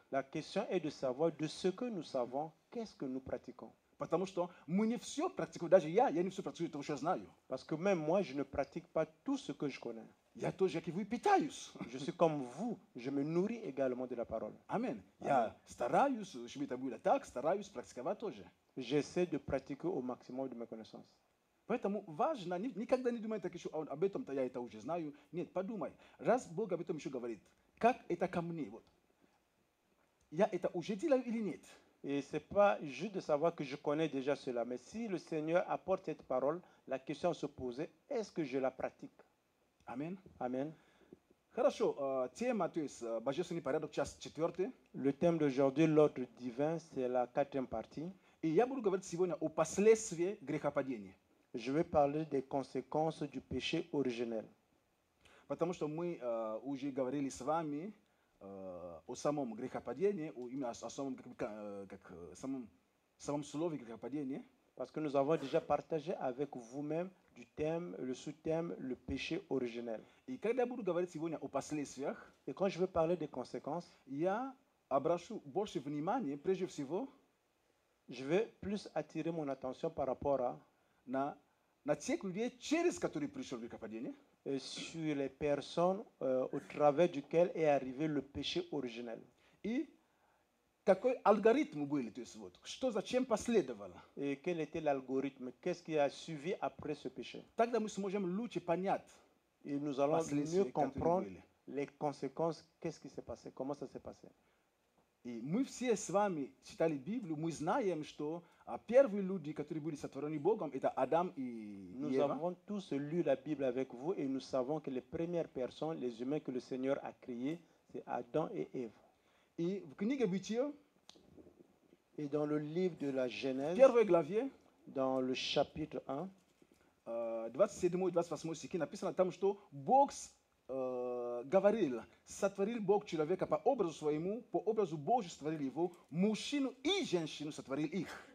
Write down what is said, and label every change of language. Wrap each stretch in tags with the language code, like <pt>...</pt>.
<fr>La question est de savoir de ce que nous savons, qu'est-ce que nous pratiquons.</fr> <ru>Потому что мы не все практикуем. Даже я не все практикую того, что я знаю.</ru> <fr>Parce que même moi, je ne pratique pas tout ce que je connais.</fr> <ru>Я тоже, как и вы, питаюсь.</ru> <fr>Je suis comme vous. Je me nourris également de la parole. Amen.</fr> <ru>Я стараюсь, чтобы это было так, стараюсь практиковать тоже.</ru> <fr>J'essaie de pratiquer au maximum de mes connaissances.</fr> <ru>Поэтому важно, никогда не думайте, что об этом-то я это уже знаю. Нет, подумай. Раз Бог об этом еще говорит, как это ко мне? Вот. Я это уже делаю или нет?</ru> <fr>Et ce n'est pas juste de savoir que je connais déjà cela. Mais si le Seigneur apporte cette parole, la question se posait, est-ce que je la pratique? Amen. Amen.</fr> <ru>Хорошо, тема, то есть, божественный порядок, час четвертый.</ru> <fr>Le thème d'aujourd'hui, l'ordre divin, c'est la quatrième partie.</fr> <ru>И я буду говорить сегодня о последствиях грехопадения.</ru> <fr>Je vais parler des conséquences du péché originel.</fr> <ru>Потому что мы уже говорили с вами... о самом грехопадении, именно о самом, как самом слове грехопадения.</ru> <fr>Parce que nous avons déjà partagé avec vous-même du thème, le sous-thème, le péché originel.</fr> <ru>И когда я буду говорить сегодня о последствиях,</ru> <fr>et quand je veux parler des conséquences,</fr> <ru>я обращу больше внимания, прежде всего,</ru> <fr>je vais plus attirer mon attention par rapport à</fr> <ru>на тех людей, через которые пришел грехопадение.</ru> <fr>Sur les personnes au travers duquel est arrivé le péché originel. Et quel algorithme</fr> <ru>был это вот? Что зачем последовало?</ru> <fr>Et quel était l'algorithme? Qu'est-ce qui a suivi après ce péché?</fr> <ru>Тогда мы сможем лучше понять.</ru> <fr>Et nous allons mieux comprendre les conséquences. Qu'est-ce qui s'est passé? Comment ça s'est passé?</fr> <ru>И мы все с вами читали Библию, мы знаем, что первые люди, которые были сотворены Богом, это Адам и Ева.</ru> <fr>Nous avons tous lu la Bible avec vous et nous savons que les premières personnes, les humains que le Seigneur a créés, c'est Adam et Ève.</fr> <ru>И в книге Бытия,</ru> <fr>et dans le livre de la Genèse,</fr> <ru>первый главе,</ru> <fr>dans le chapitre 1,</fr> <ru>27 et 28 стихи, написано там, что Бог говорил, сотворил Бог человека по образу своему, по образу Божию сотворил его, мужчину и женщину сотворил их.</ru>